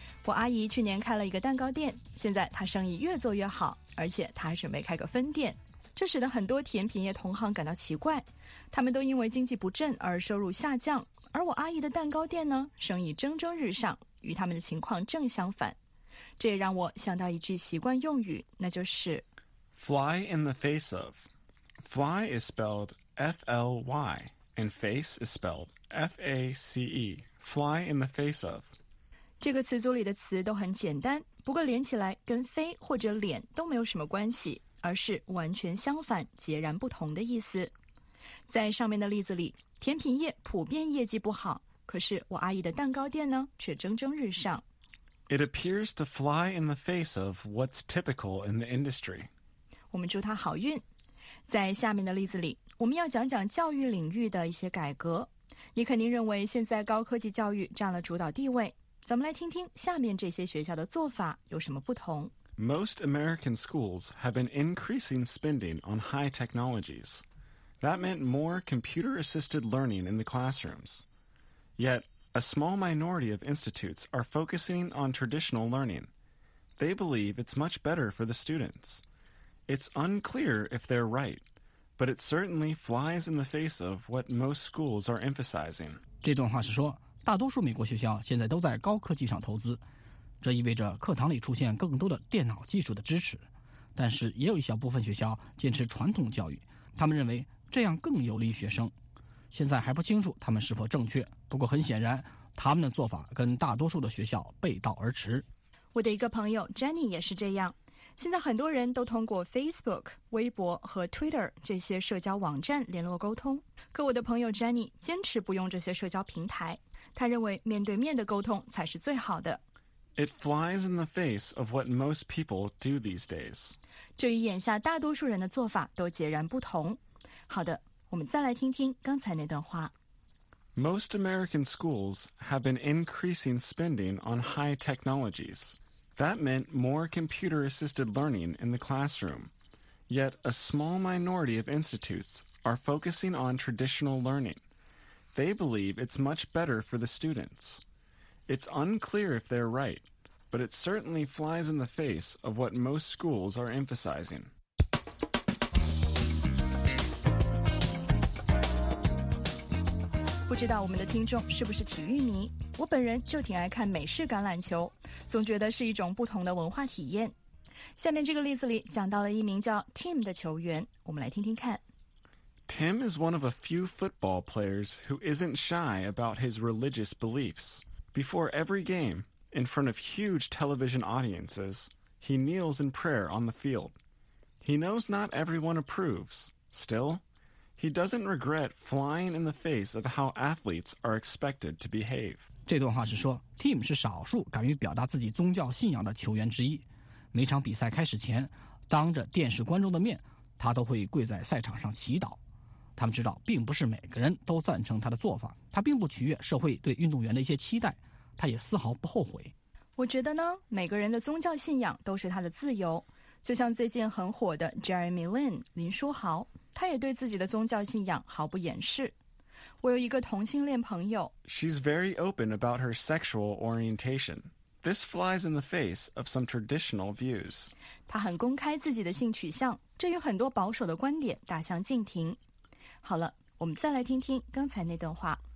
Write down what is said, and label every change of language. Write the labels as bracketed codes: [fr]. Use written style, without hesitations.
[zh] 我阿姨去年开了一个蛋糕店，现在她生意越做越好，而且她还准备开个分店，这使得很多甜品业同行感到奇怪，他们都因为经济不振而收入下降，而我阿姨的蛋糕店呢，生意蒸蒸日上，与他们的情况正相反。这也让我想到一句习惯用语，那就是 [en] Fly in the face of. Fly is spelledFLY, and face is spelled FACE, fly in the face of. [zh] 这个词组里的词都很简单，不过连起来跟飞或者脸都没有什么关系，而是完全相反，截然不同的意思。在上面的例子里，甜品业普遍业绩不好，可是我阿姨的蛋糕店呢，却蒸蒸日上。 [en] It appears to fly in the face of what's typical in the industry. [zh] 我们祝她好运。在下面的例子里，我们要讲讲教育领域的一些改革。你肯定认为现在高科技教育占了主导地位，咱们来听听下面这些学校的做法有什么不同。 [en] Most American schools have been increasing spending on high technologies. That meant more computer-assisted learning in the classrooms. Yet, a small minority of institutes are focusing on traditional learning. They believe it's much better for the students. It's unclear if they're right, but it certainly flies in the face of what most schools are emphasizing. [zh] 这段话是说，大多数美国学校现在都在高科技上投资，这意味着课堂里出现更多的电脑技术的支持。但是也有一小部分学校坚持传统教育，他们认为这样更有利于学生。现在还不清楚他们是否正确，不过很显然，他们的做法跟大多数的学校背道而驰。我的一个朋友 Jenny 也是这样。现在很多人都通过 Facebook、微博和 Twitter 这些社交网站联络沟通，可我的朋友 Jenny 坚持不用这些社交平台，他认为面对面的沟通才是最好的。 [en] It flies in the face of what most people do these days. [zh] 这与眼下大多数人的做法都截然不同。好的，我们再来听听刚才那段话。 [en] Most American schools have been increasing spending on high technologies. That meant more computer-assisted learning in the classroom. Yet a small minority of institutes are focusing on traditional learning. They believe it's much better for the students. It's unclear if they're right, but it certainly flies in the face of what most schools are emphasizing. [zh] 不知道我们的听众是不是体育迷？我本人就挺爱看美式橄榄球，总觉得是一种不同的文化体验。下面这个例子里讲到了一名叫 Tim 的球员，我们来听听看。 [en] Tim is one of a few football players who isn't shy about his religious beliefs. Before every game, in front of huge television audiences, he kneels in prayer on the field. He knows not everyone approves. Still, he doesn't regret flying in the face of how athletes are expected to behave. [zh] 这段话是说 ,Tim 是少数敢于表达自己宗教信仰的球员之一。每场比赛开始前，当着电视观众的面，他都会跪在赛场上祈祷。他们知道并不是每个人都赞成他的做法，他并不取悦社会对运动员的一些期待，他也丝毫不后悔。我觉得呢，每个人的宗教信仰都是他的自由。就像最近很火的 Jeremy Lin 林书豪，他也对自己的宗教信仰毫不掩饰。我有一个同性恋朋友。 [en] She's very open about her sexual orientation. This flies in the face of some traditional views. [zh] 她很公开自己的性取向，这与很多保守的观点大相径庭。好了，我们再来听听刚才那段话。